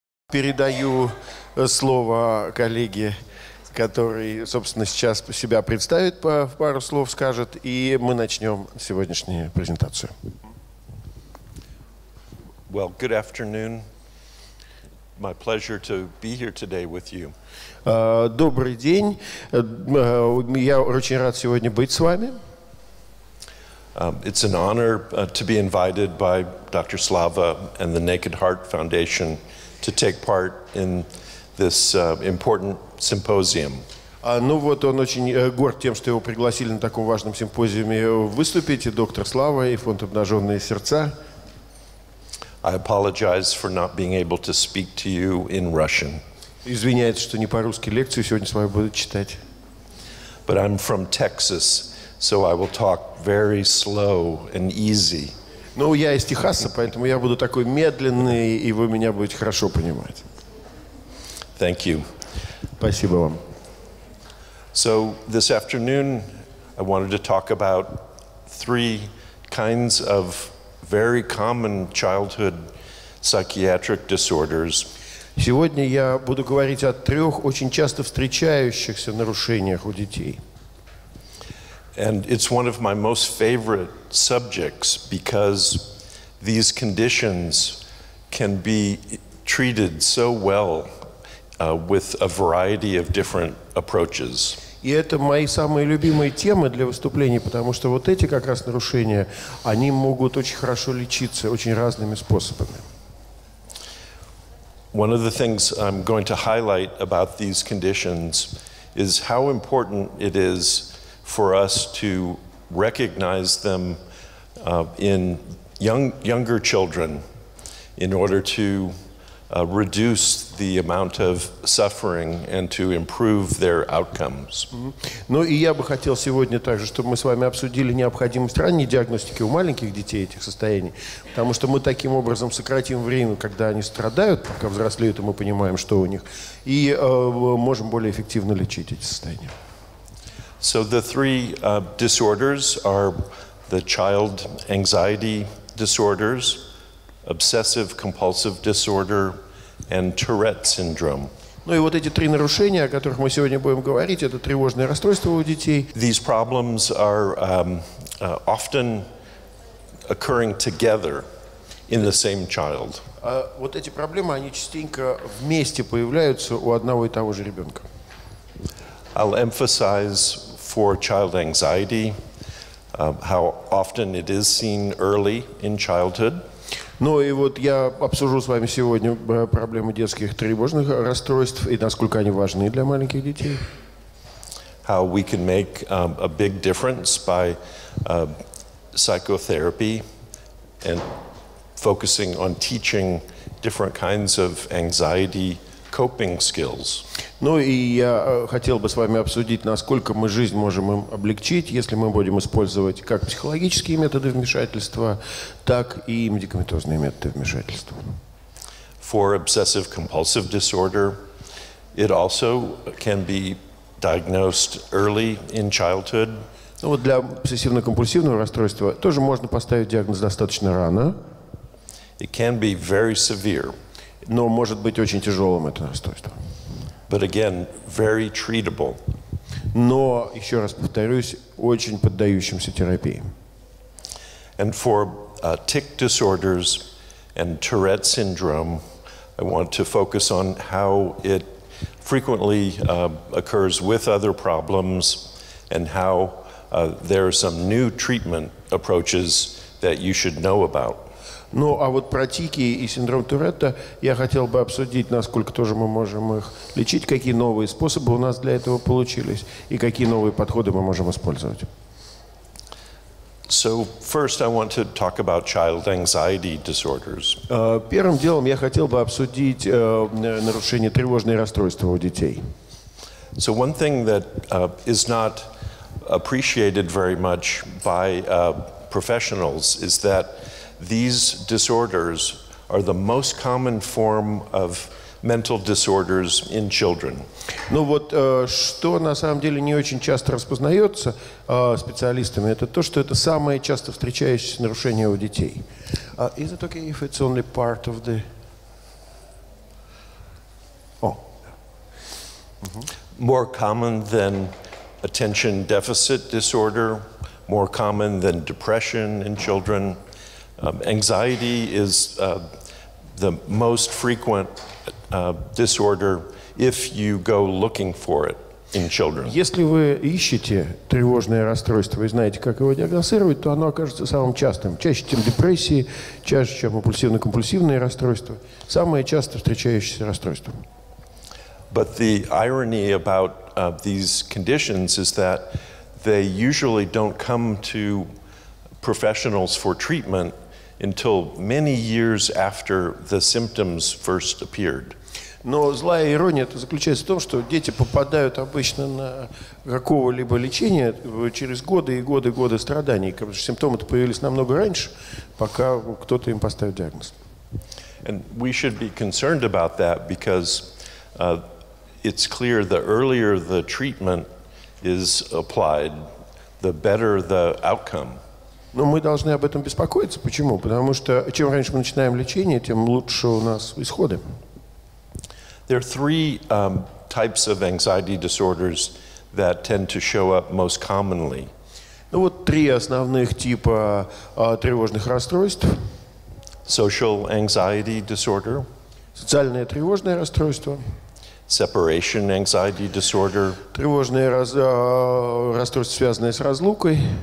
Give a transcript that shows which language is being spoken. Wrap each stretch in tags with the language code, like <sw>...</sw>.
<ru>Передаю слово коллеге, который, собственно, сейчас себя представит, пару слов скажет, и мы начнем сегодняшнюю презентацию.</ru> <en>Well, good afternoon. My pleasure to be here today with you.</en> <ru>Добрый день. Я очень рад сегодня быть с вами.</ru> <en>It's an honor to be invited by Dr. Slava and the Naked Heart Foundation to take part in this important symposium.</en> <ru>Ну вот он очень горд тем, что его пригласили на таком важном симпозиуме выступить, доктор Слава и фонд «Обнаженные сердца».</ru> <en>I apologize for not being able to speak to you in Russian.</en> <ru>Извиняюсь, что не по-русски лекцию сегодня с вами буду читать.</ru> <en>But I'm from Texas, so I will talk very slow and easy.</en> <ru>Ну, я из Техаса, поэтому я буду такой медленный, и вы меня будете хорошо понимать.</ru> <en>Thank you.</en> <ru>Спасибо вам.</ru> <en>So, this afternoon I wanted to talk about three kinds of very common childhood psychiatric disorders.</en> <ru>Сегодня я буду говорить о трех очень часто встречающихся нарушениях у детей.</ru> <en>And it's one of my most favorite subjects because these conditions can be treated so well with a variety of different approaches.</en> <ru>И это мои самые любимые темы для выступлений, потому что вот эти как раз нарушения, они могут очень хорошо лечиться очень разными способами.</ru> <en>One of the things I'm going to highlight about these conditions is how important it is for us to recognize them in younger children in order to reduce the amount of suffering and to improve their outcomes.</en> <ru>Ну и я бы хотел сегодня также, чтобы мы с вами обсудили необходимость ранней диагностики у маленьких детей этих состояний, потому что мы таким образом сократим время, когда они страдают, пока взрослеют, и мы понимаем, что у них, и можем более эффективно лечить эти состояния.</ru> <en>So the three disorders are the child anxiety disorders, obsessive-compulsive disorder, and Tourette syndrome.</en> <ru>Ну и вот эти три нарушения, о которых мы сегодня будем говорить, это тревожные расстройства у детей.</ru> <en>These problems are often occurring together in the same child.</en> <ru>Вот эти проблемы, они частенько вместе появляются у одного и того же ребенка.</ru> <en>I'll emphasize for child anxiety, how often it is seen early in childhood.</en> <ru>Ну и вот я обсужу с вами сегодня проблемы детских тревожных расстройств и насколько они важны для маленьких детей.</ru> <en>How we can make a big difference by psychotherapy and focusing on teaching different kinds of anxiety coping skills.</en> <ru>Ну и я хотел бы с вами обсудить, насколько мы жизнь можем им облегчить, если мы будем использовать как психологические методы вмешательства, так и медикаментозные методы вмешательства.</ru> <en>For obsessive-compulsive disorder, it also can be diagnosed early in childhood.</en> <ru>Ну вот для обсессивно-компульсивного расстройства тоже можно поставить диагноз достаточно рано.</ru> <en>It can be very severe.</en> <ru>Но может быть очень тяжелым это расстройство.</ru> <en>But again, very treatable.</en> <ru>Но, еще раз повторюсь, очень поддающимся терапии.</ru> <en>And for tic disorders and Tourette syndrome, I want to focus on how it frequently occurs with other problems and how there are some new treatment approaches that you should know about.</en> <ru>Ну, а вот про тики и синдром Туретта я хотел бы обсудить, насколько тоже мы можем их лечить, какие новые способы у нас для этого получились и какие новые подходы мы можем использовать.</ru> <en>So, first I want to talk about child anxiety disorders.</en> <ru>Первым делом я хотел бы обсудить нарушение тревожные расстройства у детей.</ru> <en>So, one thing that is not appreciated very much by professionals is that these disorders are the most common form of mental disorders in children.</en> <ru>Ну вот, что на самом деле не очень часто распознается специалистами, это то, что это самое часто встречающееся нарушение у детей.</ru> <en>Is it okay if it's only part of the... more common than attention deficit disorder, more common than depression in children. Anxiety is the most frequent disorder if you go looking for it in children.</en> <ru>Если вы ищете тревожное расстройство и знаете, как его диагностировать, то оно окажется самым частым. Чаще, чем депрессии, чаще, чем обсессивно-компульсивные расстройства. Самое часто встречающееся расстройство.</ru> <en>But the irony about these conditions is that they usually don't come to professionals for treatment until many years after the symptoms first appeared.</en> <ru>Но злая ирония это заключается в том, что дети попадают обычно на какого-либо лечение через годы и годы и годы страданий, потому что симптомы-то появились намного раньше, пока кто-то им поставит диагноз.</ru> <en>And we should be concerned about that because it's clear the earlier the treatment is applied, the better the outcome.</en> <ru>Но мы должны об этом беспокоиться. Почему? Потому что чем раньше мы начинаем лечение, тем лучше у нас исходы.</ru> <en>There are three types of anxiety disorders that tend to show up most commonly.</en> <ru>Ну вот три основных типа тревожных расстройств.</ru> <en>Social anxiety disorder.</en> <ru>Социальное тревожное расстройство.</ru> <en>Separation anxiety disorder.</en> <ru>Тревожные расстройства, связанные с разлукой.</ru>